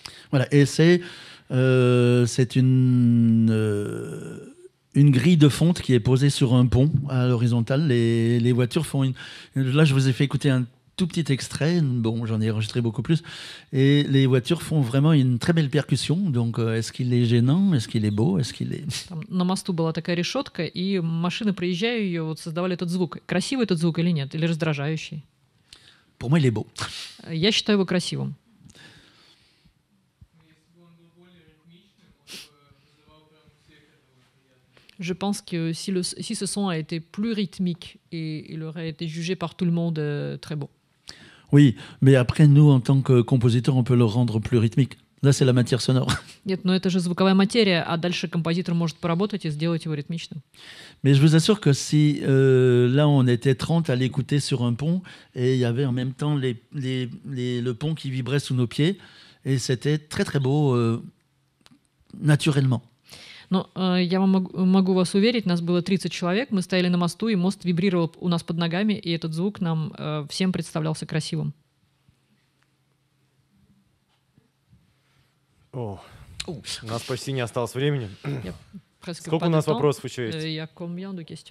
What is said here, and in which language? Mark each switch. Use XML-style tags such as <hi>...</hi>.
<fr>Voilà, et c'est une grille de fonte qui est posée sur un pont à l'horizontale. Les voitures font une... Là, je vous ai fait écouter un tout petit extrait. Bon, j'en ai enregistré beaucoup plus. Et les voitures font vraiment une très belle percussion. Donc, est-ce qu'il est gênant? Est-ce qu'il est beau? Est-ce qu'il est...</fr> <ru>На мосту была такая решетка, и машины, проезжая ее, вот создавали этот звук. Красивый этот звук или нет? Или раздражающий?</ru> <fr>Pour moi, il est beau.</fr> <ru>Я считаю его красивым.</ru> <fr>Je pense que si ce son a été plus rythmique, il aurait été jugé par tout le monde très beau. Oui, mais après, nous, en tant que compositeurs, on peut le rendre plus rythmique. Là, c'est la matière sonore.</fr> <ru>Нет, но это же звуковая материя, а дальше композитор может поработать и сделать его ритмичным.</ru> <fr>Mais je vous assure que si là, on était 30 à l'écouter sur un pont, et il y avait en même temps le pont qui vibrait sous nos pieds, et c'était très très beau, naturellement.</fr> <ru>Но я вам могу вас уверить, нас было 30 человек, мы стояли на мосту, и мост вибрировал у нас под ногами, и этот звук нам всем представлялся красивым. О, у нас почти не осталось времени. Сколько у нас вопросов еще есть?</ru>